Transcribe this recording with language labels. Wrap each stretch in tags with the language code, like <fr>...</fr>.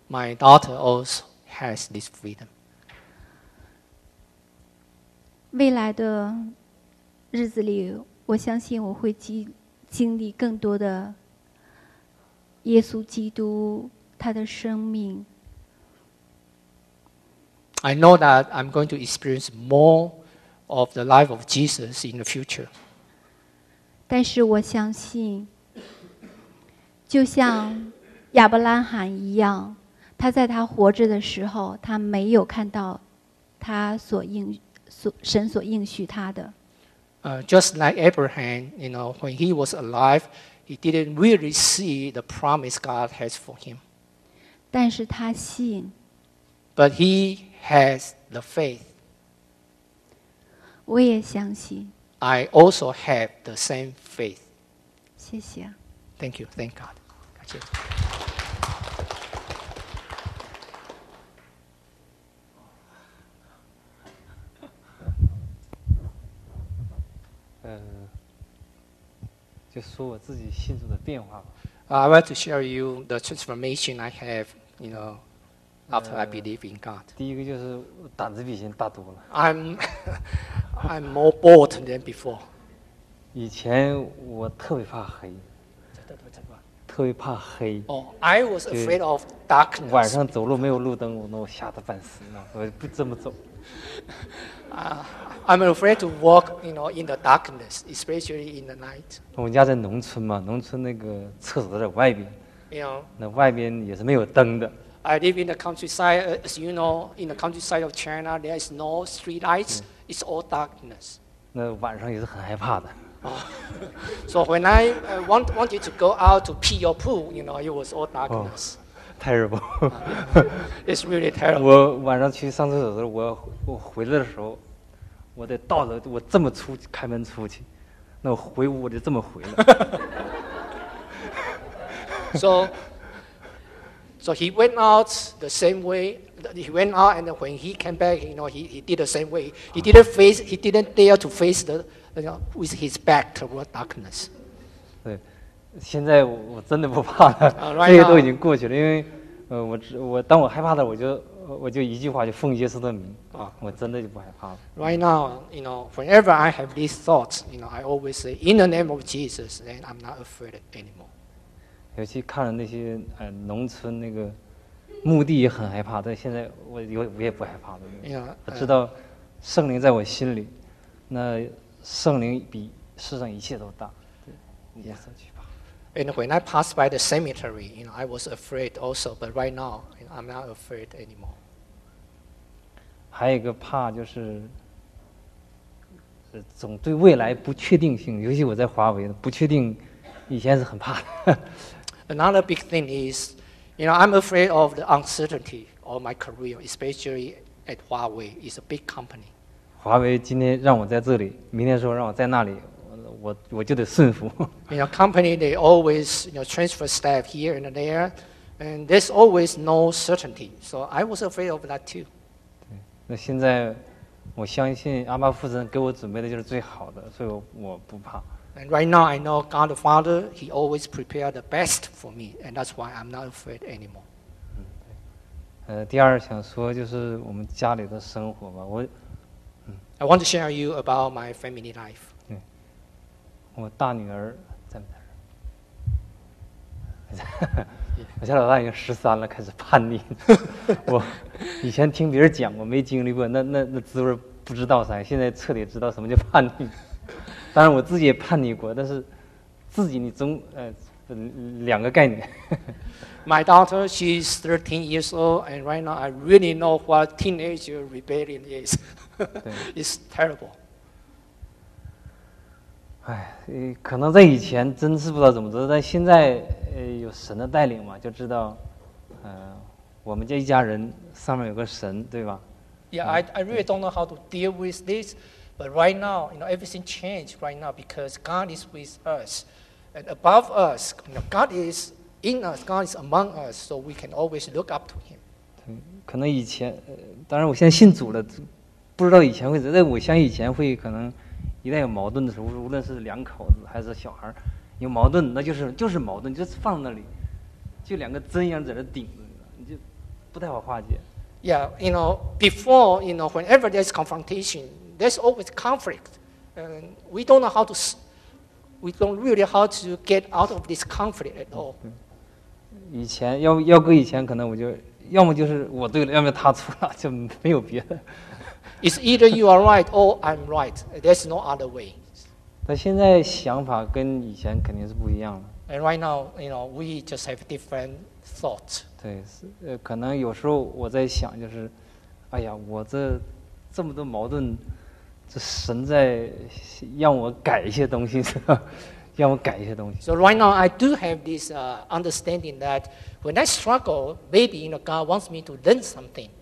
<en>My daughter also has this freedom.</en> <zh>未来的日子里，我相信我会经历更多的耶稣基督他的生命。</zh> <en>I know that I'm going to experience more of the life of Jesus in the future.</en> <zh>但是我相信，就像亚伯拉罕一样，他在他活着的时候，他没有看到他所应所神所应许他的。</zh> <en>Just like Abraham, you know, when he was alive, he didn't really see the promise God has for him.</en> <zh>但是他信。</zh> <en>But he has the faith.</en> <zh>我也相信。</zh> <en>I also have the same faith.</en> <zh>谢谢。</zh> <en>Thank you. Thank God.</en> <zh>感谢。就说我自己信主的变化。</zh> <en>I want to share you the transformation I have, you know, after I believe in God.</en> <zh>第一个就是胆子比以前大多了。</zh> <en>I'm more bold than before.</en> <zh>以前我特别怕黑。特别怕黑。</zh> <en>I was afraid of darkness.</en> <zh>晚上走路没有路灯，我吓得半死，我不这么走。</zh> <en>I'm afraid to walk, you know, in the darkness, especially in the night.</en> <zh>我家在农村嘛，农村那个厕所在外边。</zh> <en>You know,</en> <zh>那外边也是没有灯的。</zh> <en>I live in the countryside, as you know, in the countryside of China, there is no street lights. It's all darkness.</en> <zh>那晚上也是很害怕的。</zh> <en>So when I wanted to go out to pee or poo, you know, it was all darkness. Oh. Terrible. It's really terrible.</en> <zh>我晚上去上厕所的时候，我回来的时候，我得倒着，我这么出开门出去，那我回屋我就这么回了。</zh> <en>So he went out the same way. He went out and when he came back, you know, he did the same way. He didn't face, he didn't dare to face the, you know, with his back toward darkness.</en> <zh>对。现在我真的不怕了，这些都已经过去了。因为，我当我害怕的，我就一句话，就奉耶稣的名啊，我真的就不害怕了。</zh> <en>Right now, you know, whenever I have these thoughts, you know, I always say, "In the name of Jesus, then I'm not afraid anymore."</en> <zh>尤其看了那些农村那个墓地也很害怕，但现在我也不害怕了。我知道圣灵在我心里，那圣灵比世上一切都大。对，耶稣去。</zh> <en>And when I passed by the cemetery, you know, I was afraid also. But right now, you know, I'm not afraid anymore.</en> <zh>还有一个怕就是，总对未来不确定性。尤其我在华为，不确定，以前是很怕的。</zh> <en>Another big thing is, you know, I'm afraid of the uncertainty of my career, especially at Huawei. It's a big company.</en> <zh>华为今天让我在这里，明天说让我在那里。我就得顺服。</zh> <en>You know, company they always, you know, transfer staff here and there, and there's always no certainty. So I was afraid of that too.</en> <zh>那现在我相信阿爸父神给我准备的就是最好的，所以我不怕。</zh> <en>And right now I know God the Father, He always prepared the best for me, and that's why I'm not afraid anymore.</en> <zh>第二想说就是我们家里的生活吧。</zh> <en>I want to share you about my family life.</en> <zh>我大女儿在哪儿？我家老大已经十三了，开始叛逆。我以前听别人讲过，没经历过，那滋味不知道啥。现在彻底知道什么叫叛逆。当然我自己也叛逆过，但是自己你总两个概念。</zh> <en>My daughter, she's 13 years old, and right now I really know what teenage rebellion is. It's terrible.</en> <zh>哎，可能在以前真是不知道怎么做，但现在有神的带领嘛，就知道，我们这一家人上面有个神，对吧</zh> <en>？Yeah, I really don't know how to deal with this, but right now, you know, everything changed right now because God is with us, and above us, you know, God is in us, God is among us, so we can always look up to Him.</en> <zh>可能以前，当然我现在信主了，不知道以前会怎，但我相信以前会可能。一旦有矛盾的时候，无论是两口子还是小孩，有矛盾，那就是矛盾，就是放那里，就两个针一样在那顶着，你就不太好化解。</zh> <en>Yeah, you know, before, you know, whenever there's confrontation, there's always conflict, and we don't really know how to get out of this conflict at all. 以前要搁以前，可能我就要么就是我对了，要么他错了，就没有别的。 It's either you are right or I'm right. There's no other way.</en> <zh>但现在想法跟以前肯定是不一样了。</zh> <en>And right now, you know, we just have different thoughts.</en> <zh>对，可能有时候我在想，就是，哎呀，我这这么多矛盾，这神在让我改一些东西，是吧？让我改一些东西。</zh> <en>So right now I do have this understanding that when I struggle, maybe you know God wants me to learn something.</en>